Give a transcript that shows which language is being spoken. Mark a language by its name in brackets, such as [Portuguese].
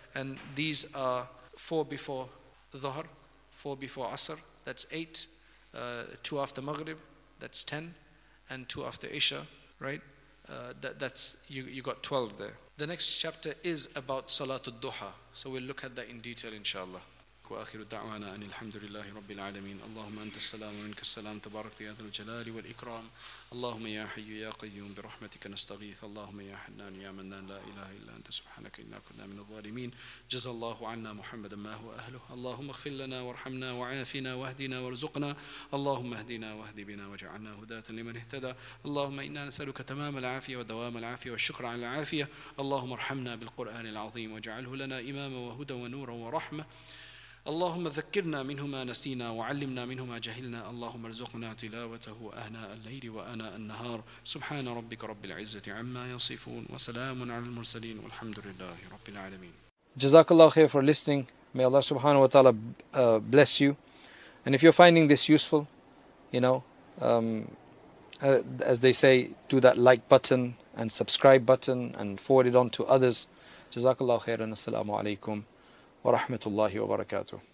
[English] And these are 4 before Dhuhr, 4 before Asr, that's 8, 2 after Maghrib, that's 10, and 2 after Isha, right? That's you got 12 there. The next chapter is about Salatul Duha, so we'll look at that in detail, inshallah. [Arabic] وآخر دعوانا أن الحمد لله رب العالمين اللهم أنت السلام ومنك السلام تبارك يا ذا الجلال والإكرام اللهم يا حي يا قيوم برحمتك نستغيث اللهم يا حنان يا منان لا إله إلا أنت سبحانك إنا كنا من الظالمين جزى الله عنا محمدا ما هو أهله اللهم اغفر لنا وارحمنا وعافنا واهدنا وارزقنا اللهم اهدنا واهد بنا واجعلنا هداة لمن اهتدى اللهم إنا نسألك تمام العافية ودوام العافية والشكر على العافية اللهم ارحمنا بالقرآن العظيم واجعله لنا إماما وهدى ونورا ورحمة اللهم ذكرنا منه ما نسينا وعلمنا منه ما جهلنا اللهم ارزقنا تلاوته أهناء الليل وأناء النهار سبحان ربك رب العزة عما يصفون وسلام على المرسلين والحمد لله رب العالمين. جزاك الله خير [English] for listening. May Allah subhanahu wa ta'ala bless you. And if you're finding this useful, you know, as they say, do that like button and subscribe button and forward it on to others. [Arabic] جزاك الله خير [English] and assalamu alaikum. [Arabic] ورحمة الله وبركاته.